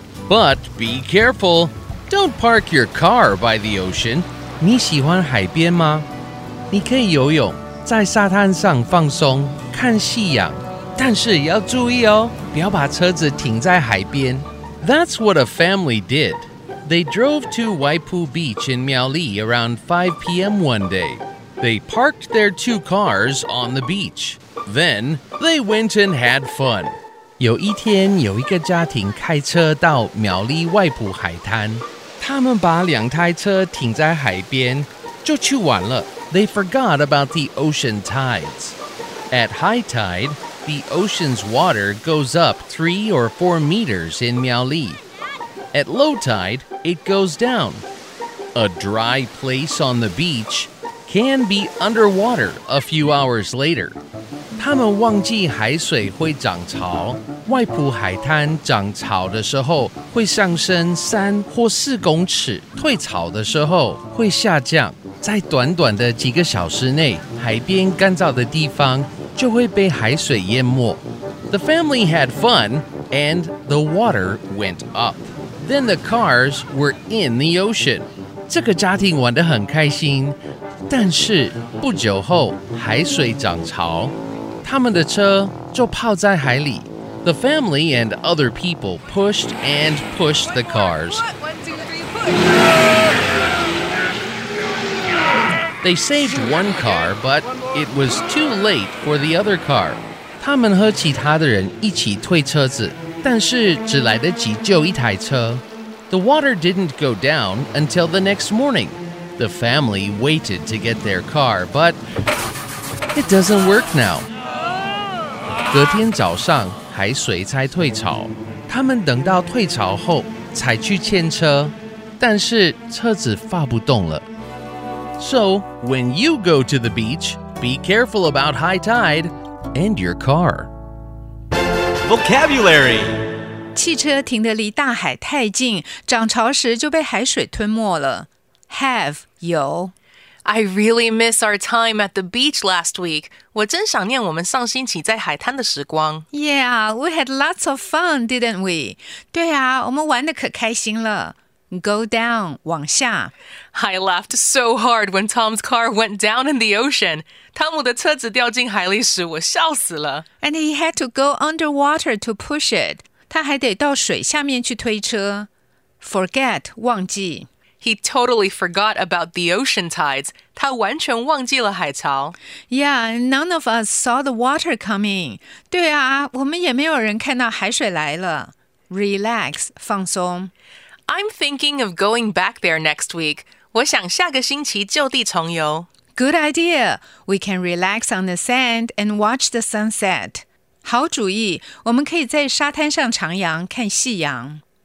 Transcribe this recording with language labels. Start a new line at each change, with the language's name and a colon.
English: But be careful. Don't park your car by the ocean.
Chinese: 你喜欢海边吗？你可以游泳，在沙滩上放松，看夕阳。但是要注意哦，不要把车子停在海边。
English: That's what a family did. They drove to Waipu Beach in Miaoli around 5 p.m. one day. They parked their two cars on the beach. Then they went and had fun.
Chinese: 有一天有一个家庭开车到苗栗外埔海滩，他们把两台车停在海边，就去玩了。
English: They forgot about the ocean tides. At high tide, the ocean's water goes up 3 or 4 meters in Miaoli. At low tide, it goes down. A dry place on the beach can be underwater a few hours later.
Chinese: 他们忘记海水会涨潮，外埔海滩涨潮的时候会上升3或4公尺，退潮的时候会下降。在短短的几个小时内，海边干燥的地方就会被海水淹没。
English: The family had fun, and the water went up. Then the cars were in the ocean.
Chinese: 这个家庭玩得很开心，但是不久后海水涨潮，他们的车就泡在海里。
English: The family and other people pushed and pushed the cars. They saved one car, but it was too late for the other car.
Chinese: 他们和其他的人一起推车子，但是只来得及救一台车。
English: The water didn't go down until the next morning. The family waited to get their car, but it doesn't work now.
Chinese: 隔天早上，海水才退潮。他们等到退潮后才去牵车，但是车子发不动了。
English: So, when you go to the beach, be careful about high tide and your car. Vocabulary.
Chinese: 汽车停得离大海太近，涨潮时就被海水吞没了。
English: Have, 有。 I really miss our time at the beach last week.
Chinese: 我真想念我们上星期在海滩的时光。
English: Yeah, we had lots of fun, didn't we?
Chinese: 对啊，我们玩得可开心了。
English: Go down, 往下。 I laughed so hard when Tom's car went down in the ocean.
Chinese: 汤姆的车子掉进海里时，我笑死了。
English: And he had to go underwater to push it.
Chinese: 他还得到水下面去推车。
English: Forget, 忘记。 He totally forgot about the ocean tides.
Chinese: 他完全忘记了海潮。
English: Yeah, none of us saw the water coming.
Chinese: 对啊，我们也没有人看到海水来了。
English: Relax, 放松。 I'm thinking of going back there next week.
Chinese: 我想下个星期就地重游。
English: Good idea. We can relax on the sand and watch the sunset.
Chinese: 好主意，我们可以在沙滩上徜徉看夕阳。